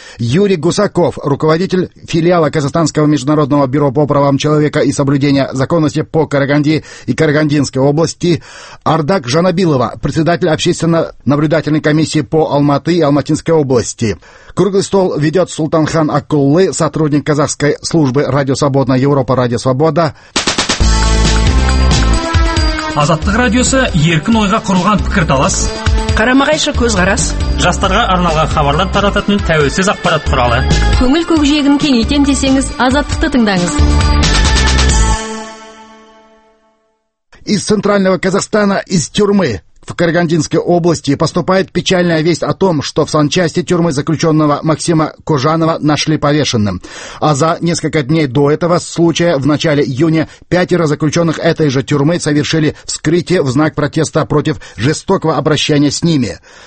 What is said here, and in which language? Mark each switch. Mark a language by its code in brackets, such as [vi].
[ru] Юрий Гусаков, руководитель филиала Казахстанского международного бюро по правам человека и соблюдения законности по Караганде и Карагандинской области. Ардак Жанабилова, председатель общественно-наблюдательной комиссии по Алматы и Алматинской области. Круглый стол ведет Сұлтанхан Аққұлұлы, сотрудник казахской службы «Радио Свободная Европа», «Радио Свобода». [kk] Азаттық радиосы еркін ойға құрылған пікірталас. Қарама-қайшы көзқарас. Жастарға арналған хабарлар тарататын тәуелсіз ақпарат құралы. Көңіл көкжиегін кеңейтем десеңіз, Азаттықты тыңдаңыз. [ru] Из центрального Казахстана, из тюрьмы. В Карагандинской области поступает печальная весть о том, что в санчасти тюрьмы заключенного Максима Кожанова нашли повешенным. А за несколько дней до этого случая в начале июня пятеро заключенных этой же тюрьмы совершили вскрытие в знак протеста против жестокого обращения с ними.